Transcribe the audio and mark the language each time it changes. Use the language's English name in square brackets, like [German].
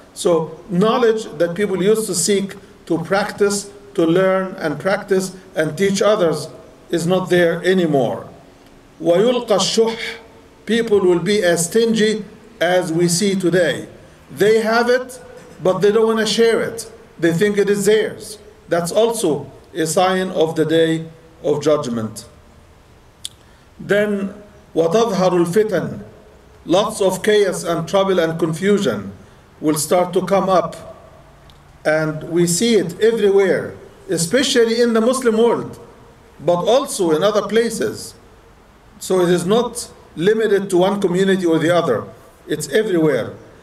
[English] So knowledge that people used to seek to practice, to learn and practice and teach others is not there anymore. [Arabic] وَيُلْقَ الشُّحْ. [English] People will be as stingy as we see today. They have it, but they don't want to share it. They think it is theirs. That's also a sign of the Day of Judgment. [Arabic] Then, وَتَظْهَرُ الْفِتَنِ. [English] Lots of chaos and trouble and confusion will start to come up. And we see it everywhere, especially in the Muslim world, but also in other places. So it is not limited to one community or the other. It's everywhere.